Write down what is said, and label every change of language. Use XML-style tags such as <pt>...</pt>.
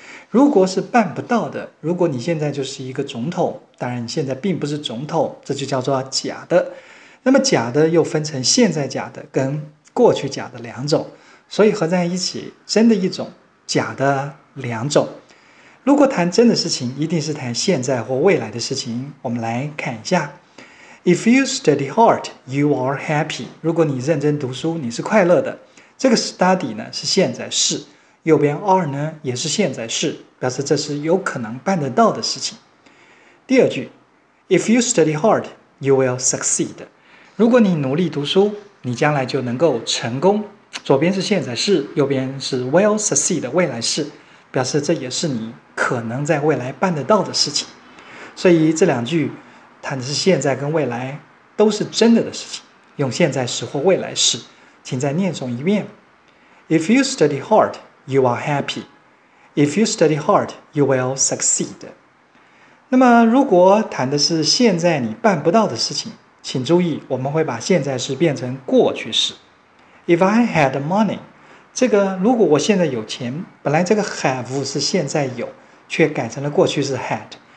<zh>如果是办不到的，如果你现在就是一个总统，当然你现在并不是总统，这就叫做假的。那么假的又分成现在假的跟过去假的2种，所以合在一起，真的1种，假的2种。如果谈真的事情，一定是谈现在或未来的事情。我们来看一下：</zh> <en>If you study hard, you are happy。</en> <zh>如果你认真读书，你是快乐的。这个 study 呢是现在式，右边 are 呢也是现在式，表示这是有可能办得到的事情。第二句：</zh> <en>If you study hard, you will succeed。</en> <zh>如果你努力读书，你将来就能够成功。左边是现在式，右边是</zh> <en>will succeed</en> <zh>的未来式，表示这也是你可能在未来办得到的事情。所以这两句谈的是现在跟未来都是真的的事情，用现在时或未来式，请再念诵一遍：</zh> <en>If you study hard, you are happy. If you study hard, you will succeed.</en> <zh>那么如果谈的是现在你办不到的事情，请注意，我们会把现在时变成过去式。</zh> <en>If I had money，</en> <zh>这个如果我现在有钱，本来这个 have 是现在有，却改成了过去式 had。</zh>